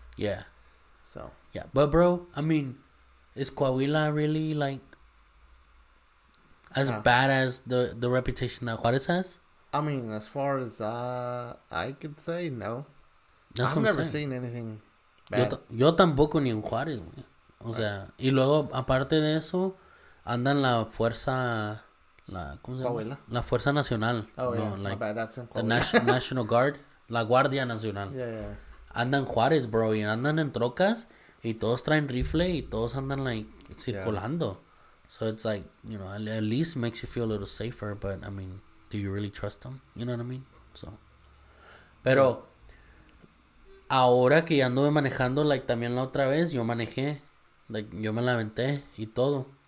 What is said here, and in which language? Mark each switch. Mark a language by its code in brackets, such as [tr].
[en] Yeah. So. Yeah, but, bro, I mean, is Coahuila really, like, as bad as the reputation that Juarez has? I mean, as far as I could say, no. That's I've never saying. Seen anything bad. [es] Yo tampoco ni en Juárez, güey. O sea, y luego, aparte de eso, andan la fuerza, ¿cómo se Coahuila? Llama? La Fuerza Nacional. [en] My bad, that's in Coahuila. The National Guard, [es] la Guardia Nacional. [en] Yeah. [es] Andan Juárez, bro, y andan en trocas, y todos traen rifle, y todos andan, like, circulando. [en] Yeah. So it's like, you know, at least makes you feel a little safer, but, I mean, do you really trust them? You know what I mean? [es] So, pero ahora que ya anduve manejando, like, también la otra vez, yo manejé, like, yo me la aventé y todo.